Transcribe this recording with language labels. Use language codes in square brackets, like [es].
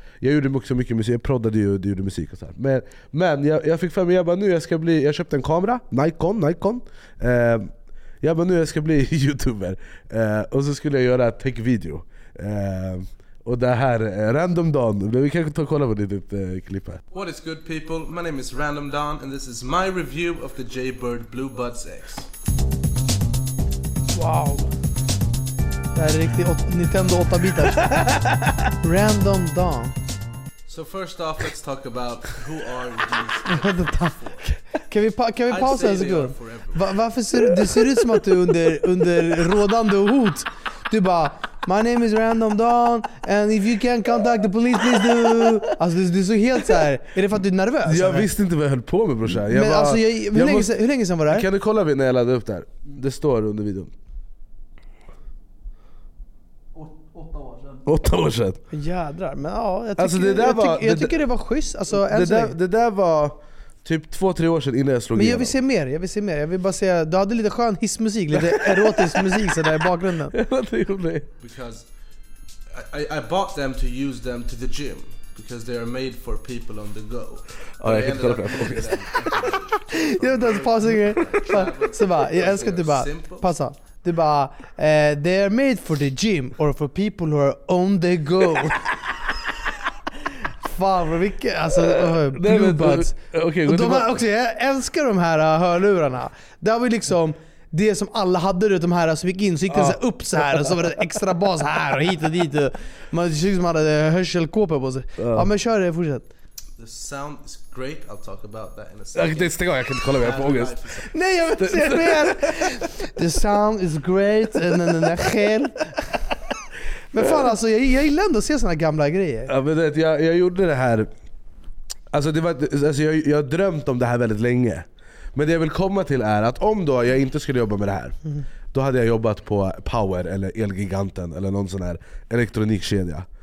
[sv] Jag gjorde också mycket musik, jag proddade ju, gjorde musik och så här. Men jag fick för mig, jag köpte en kamera, Nikon. Jag bara, nu jag ska bli YouTuber. Och så skulle jag göra ett tech-video. Och det här Random Don. Vi kan ta kolla på ditt klipp här. [en] What is good people? My name is Random Don and this is my review of the Jaybird Blue Buds X. Wow. [sv] Det här är riktigt Nintendo 8 bitar. Random Don. [en] So first off, let's talk about who are these. [sv] Kan vi pausa en sekund? Varför ser du ut som att du under rådande hot? Du bara, [en] my name is Random Don and if you can contact the police, please do. [sv] Alltså du är så helt så här. Är det för att du är nervös? Jag eller? Visste inte vad jag höll på med, brorsa. Jag men bara, alltså, hur länge sedan var det här? Kan du kolla när jag laddade upp det här? Det står under videon. 8 år sedan. Jädrar, men ja. Jag tycker det var schysst. Alltså, det där var typ 2-3 år sedan innan jag slog igenom. Men jag vill se mer. Jag vill bara säga, du hade lite skön hissmusik, lite erotisk musik så där i bakgrunden. Jag vet inte, [en] because I bought them to use them to the gym. because they are made for people on the go. [sv] Oh, jag kan inte kolla på det. Jag vet inte, pausing. Så bara, jag älskar att du bara, passa. Du bara, [en] they are made for the gym or for people who are on the go. [sv] Fan vad mycket, alltså blue buds. Okay, jag älskar de här hörlurarna. Det har vi liksom, det som alla hade runt de här, så gick in, så gick den så här upp så här, och så var det extra bas här och hit och dit. Man tyckte som att man hade hörselkåpor på sig. Ja, men kör det, fortsätt. [en] The sound is great, I'll talk about that in a second. [sv] Det är stegar, jag kan inte kolla mer på August. Nej, jag vill inte se mer! [en] The sound is great, and then the hell. [sv] Men fan alltså, jag gillar ändå att se såna gamla grejer. Ja, men vet, jag gjorde det här, alltså, det var, alltså jag har drömt om det här väldigt länge. Men det jag vill komma till är att om då jag inte skulle jobba med det här, då hade jag jobbat på Power eller Elgiganten eller någon sån här elektronikkedja.